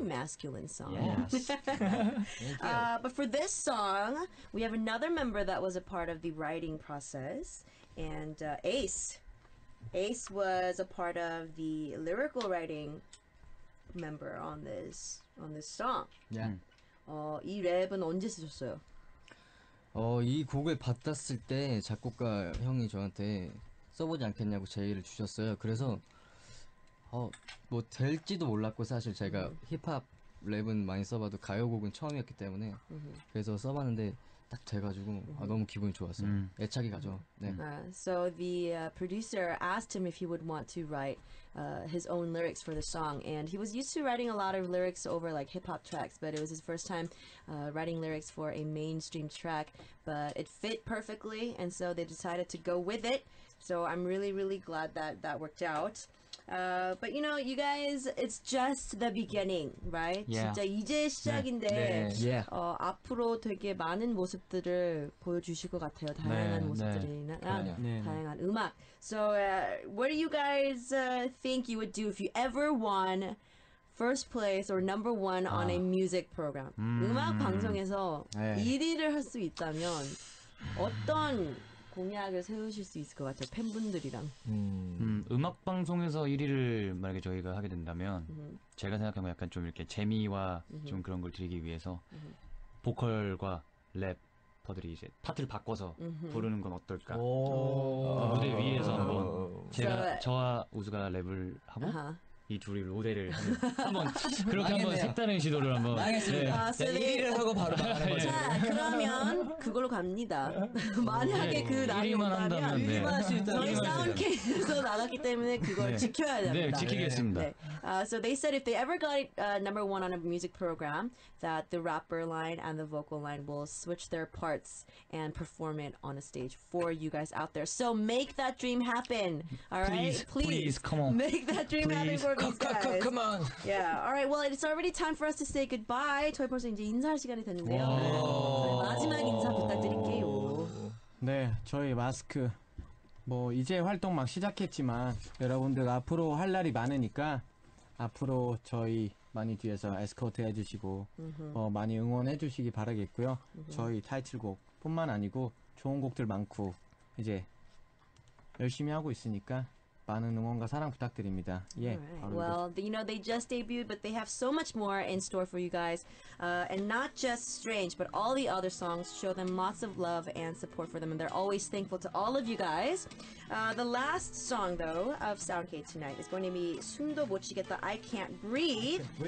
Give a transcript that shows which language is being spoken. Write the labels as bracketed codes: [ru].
[en] masculine song yes. but for this song we have another member that was a part of the writing process and Ace was a part of the lyrical writing member on this song. Yeah. [ko] 어, 이 랩은 언제 쓰셨어요? 어, 이 곡을 받았을 때 작곡가 형이 저한테 써보지 않겠냐고 제의를 주셨어요. 그래서 어, 뭐 될지도 몰랐고 사실 제가 힙합 랩은 많이 써봐도 가요곡은 처음이었기 때문에 그래서 써봤는데 딱 돼가지고 아, 너무 기분이 좋았어요. 애착이 가죠. 네. [en] So the producer asked him if he would want to write his own lyrics for the song, and he was used to writing a lot of lyrics over like hip-hop tracks, but it was his first time writing lyrics for a mainstream track, but it fit perfectly, and so they decided to go with it. So I'm really, really glad that that worked out. But you know, you guys, it's just the beginning, right? Yeah. [ko] 진짜 이제 시작인데 네. 네. Yeah. 어, 앞으로 되게 많은 모습들을 보여주실 것 같아요. 다양한 네. 모습들이나 네. 아, 네. 다양한 음악. [en] So what do you guys think you would do if you ever won first place or number one 아. on a music program? [ko] 음악 방송에서 네. 1위를 할 수 있다면 어떤 공약을 세우실 수 있을 것 같아요, 팬분들이랑. 음악 방송에서 1위를 만약에 저희가 하게 된다면 제가 생각한 건 약간 좀 이렇게 재미와 좀 그런 걸 드리기 위해서 보컬과 래퍼들이 이제 파트를 바꿔서 부르는 건 어떨까? 오~ 그 무대 위에서 한번 제가 저와 우수가 랩을 하고 이 둘이 로데를 한번 그렇게 한번 색다른 시도를 한번 알겠습니다. 네. 아, 1위를 하고 바로 나가는 거죠. 자, 그러면 그걸로 갑니다. 만약에 네, 그 날이 온다면 네. 저희 사운드캐스트에서 나갔기 때문에 그걸 네. 지켜야 됩니다. 네, 지키겠습니다. 네. [en] So they said if they ever got number one on a music program that the rapper line and the vocal line will switch their parts and perform it on a stage for you guys out there. So make that dream happen. All right? Please, please come on. Make that dream please. Happen. Come on. Yeah. All right. Well, it's already time for us to say goodbye. [ko] 저희 벌써 이제 인사할 시간이 됐는데요. 네. 마지막 인사 부탁드릴게요. 네, 저희 마스크 뭐 이제 활동 막 시작했지만 여러분들 앞으로 할 날이 많으니까 앞으로 저희 많이 뒤에서 에스코트 해주시고 뭐 많이 응원해주시기 바라겠고요. 저희 타이틀곡뿐만 아니고 좋은 곡들 많고 이제 열심히 하고 있으니까. 많은 응원과 사랑 부탁드립니다. 예. [en] Right. Well, the, you know, they just debuted, but they have so much more in store for you guys. And not just Strange, but all the other songs show them lots of love and support for them. And they're always thankful to all of you guys. The last song, though, of Soundcade tonight is going to be 숨도 못 쉬겠다, I Can't Breathe.